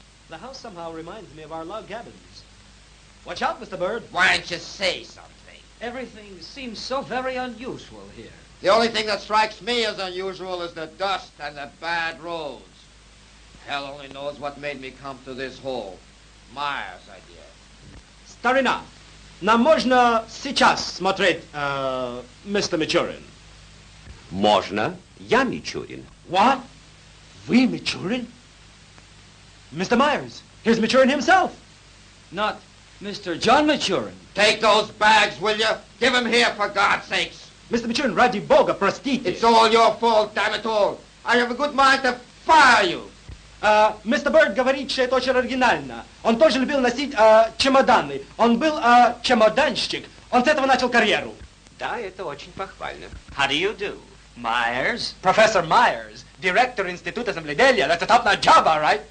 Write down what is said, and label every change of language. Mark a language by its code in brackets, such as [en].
[en] The house somehow reminds me of our log cabins. Watch out, Mr. Bird. Why don't you say something? Everything seems so very unusual here. The only thing that strikes me as unusual is the dust and the bad roads. Hell only knows what made me come to this hole. Myers, I guess. [ru] Старина, нам можно сейчас смотреть, мистер Мичурин? Можно. Я Мичурин. [en] What? [ru] Вы Мичурин? [en] Mr. Myers, here's Мичурин himself. Not Mr. John Мичурин. Take those bags, will you? Give them here, for God's sakes. Mr. [ru] Мичурин, ради бога, простите. [en] It's all your fault, damn it all. I have a good mind to fire you. [ru] Мистер Бёрд говорит, что это очень оригинально. Он тоже любил носить чемоданы. Он был чемоданщик. Он с этого начал карьеру. Да, это очень похвально. [en] How do you do? Myers? [ru] Профессор Myers, директор Института земледелия. [en] That's a top-notch job, all right?